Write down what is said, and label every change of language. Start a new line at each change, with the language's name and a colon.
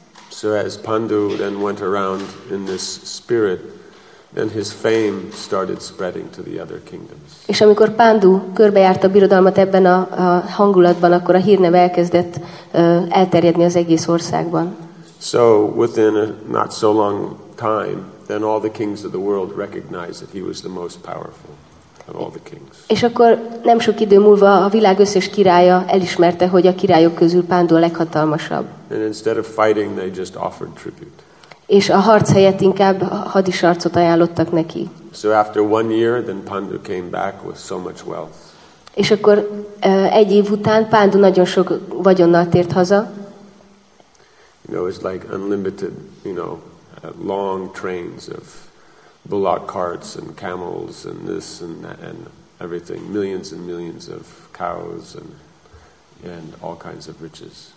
English: So as Pandu then went around in this spirit, then his fame started spreading to the other kingdoms.
Hungarian: És amikor Pandu körbejárta a birodalmat ebben a hangulatban, akkor a hírneve elkezdett elterjedni az egész országban.
English: So within a not so long time, then all the kings of the world recognized that he was the most powerful of all the kings.
Hungarian: És akkor nem sok idő múlva a világ összes királya elismerte, hogy a királyok közül Pandu a leghatalmasabb.
English: And instead of fighting, they just offered tribute.
Hungarian: És a harc helyett inkább hadisarcot ajánlottak neki.
English: So after one year, then Pandu came back with so much wealth.
Hungarian: És akkor egy év után Pandu nagyon sok vagyonnal tért haza.
English: You know, it's like unlimited, you know, long trains of bullock carts and camels and this and that and everything, millions and millions of cows and all kinds of riches.